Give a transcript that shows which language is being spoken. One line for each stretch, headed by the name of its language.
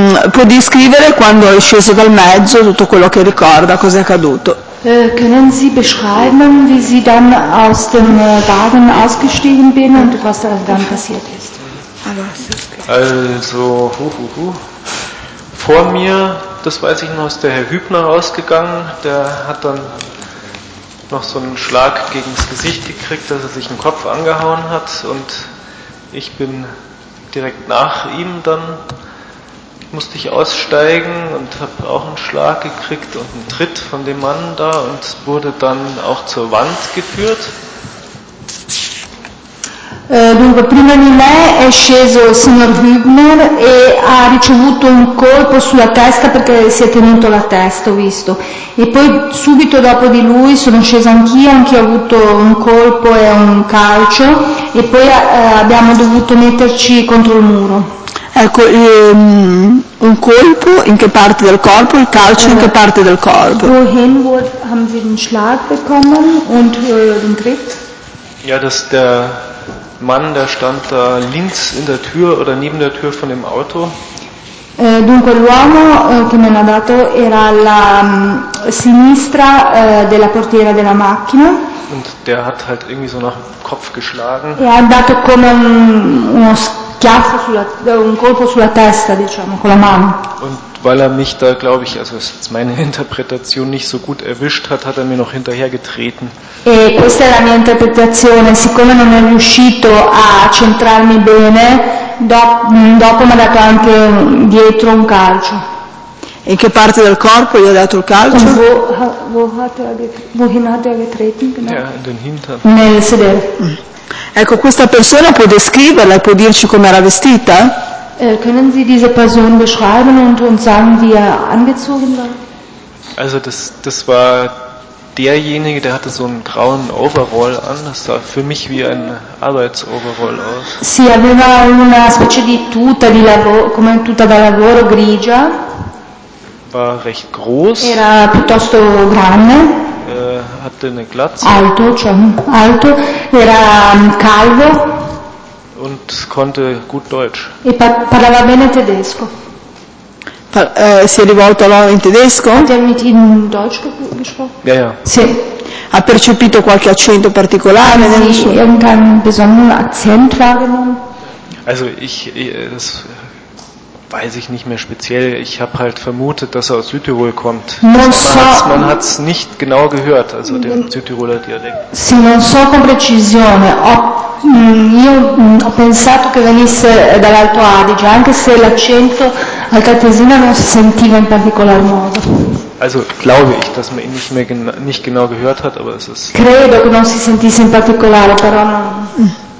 Italian: Può descrivere quando è sceso dal mezzo tutto quello che ricorda, cosa è accaduto?
German: Können Sie beschreiben, wie Sie dann aus dem Wagen ausgestiegen bin und was dann passiert ist? Also, vor mir, das weiß ich noch, ist der Herr Hübner rausgegangen. Der hat dann noch so einen Schlag gegen das Gesicht gekriegt, dass er sich den Kopf angehauen hat. Und ich bin direkt nach ihm dann, musste ich aussteigen und habe auch einen Schlag gekriegt und einen Tritt von dem Mann da und wurde dann auch zur Wand geführt.
Italian: Dunque, prima di me è sceso il signor Hübner e ha ricevuto un colpo sulla testa perché si è tenuto la testa, ho visto. E poi subito dopo di lui sono scesa anch'io ho avuto un colpo e un calcio e poi abbiamo dovuto metterci contro il muro. Ecco, un colpo in che parte del corpo, il calcio in che parte del corpo?
German: Wohin haben Sie den Schlag bekommen und den Tritt? Ja, dass der Mann, der stand da links in der Tür oder neben der Tür von dem Auto.
Italian: Dunque l'uomo che mi ha dato era alla sinistra della portiera della macchina.
German: Und der hat halt irgendwie so nach dem Kopf geschlagen.
Italian: E ha dato come un colpo sulla testa, diciamo, con la mano.
German: Und weil er mich da, glaube ich, also ist meine Interpretation nicht so gut erwischt hat, hat er mir noch hinterher getreten.
Italian: E questa è la mia interpretazione, siccome non è riuscito a centrarmi bene, dopo mi ha dato anche dietro un calcio. In che parte del corpo gli ha dato il calcio?
German: Wohin hat er getreten? Ja, in den Hintern.
Italian: Nel sedere. Ecco, questa persona può descriverla e può dirci come era vestita?
German: Können Sie diese Person beschreiben und uns sagen, wie er angezogen war? Also das war derjenige, der hatte so einen grauen Overall an. Das sah für mich wie ein Arbeitsoverall aus.
Italian: Sì, aveva una specie di tuta di lavoro, come tuta da lavoro grigia.
German: War recht groß.
Italian: Era piuttosto grande.
German: Hatte eine Glatze.
Italian: Alto, cioè alto. Era calvo.
German: Und konnte gut Deutsch.
Italian: E parlava bene tedesco. Si è rivolto a loro in tedesco?
German: Hat er mit ihnen Deutsch gesprochen? Ja, ja.
Italian: Sì. ha percepito qualche accento particolare nel suo...
German: irgendein besonderer Akzent wahrgenommen? Also ich das weiß ich nicht mehr speziell, ich habe halt vermutet, dass er aus Südtirol kommt. Man hat es nicht genau gehört, also den Südtiroler Dialekt.
Italian: Sì, non so con precisione, ho pensato che venisse dall'Alto Adige, anche se l'accento altoatesino non si sentiva in particolar modo.
German: Also glaube ich, dass man ihn nicht genau gehört hat, aber es ist...
Italian: Credo che non si sentisse in particolare, però non...